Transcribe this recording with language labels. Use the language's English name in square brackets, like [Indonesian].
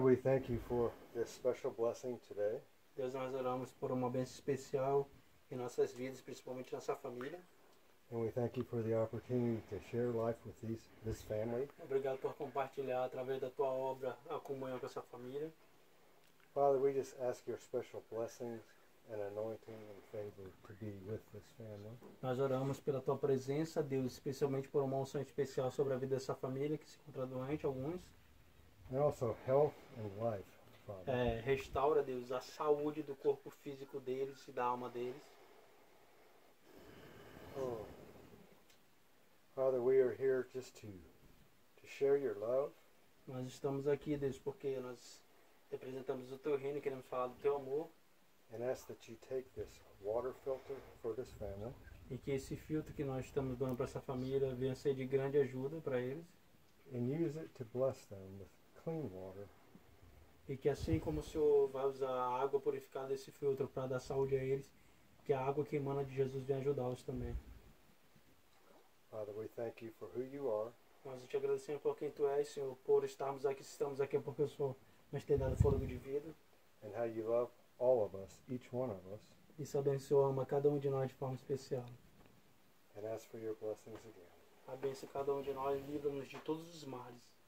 [English] we thank you for this special blessing today. [Portuguese] Deus, nós oramos por uma bênção especial em nossas vidas, principalmente nossa família. [English] And we thank you for the opportunity to share life with this family. [Portuguese] Obrigado por compartilhar através da tua obra a comunhão com essa família. [English] Father, we just ask your special blessings and anointing and favor to be with this family. [Portuguese] Nós oramos pela tua presença, Deus, especialmente por uma unção especial sobre a vida dessa família que se encontra doente, alguns. [English] And also health and life, Father. [Portuguese] É, restaura, Deus, a saúde do corpo físico deles e da alma deles. Oh. [English] Father, we are here just to share your love. [Portuguese] Nós estamos aqui, Deus, porque nós representamos o teu reino e queremos falar do teu amor. [English] And ask that you take this water filter for this family. [Portuguese] E que esse filtro que nós estamos dando para essa família venha ser de grande ajuda para eles. [English] and use it to bless them with clean water. [Portuguese] E que assim como o Senhor vai usar a água purificada desse filtro para dar saúde a eles, que a água que emana de Jesus venha ajudá-los também. [English] Father, we thank you for who you are. [Portuguese] Nós te agradecemos por quem tu és, Senhor, por estarmos aqui, se estamos aqui porque o Senhor nos tem dado fôlego de vida. [English] And how you love all of us, each one of us. [Portuguese] E sabendo que o Senhor ama cada um de nós de forma especial. [English] And ask for your blessings again. [Portuguese] Abençoe cada um de nós, livra-nos de todos os males.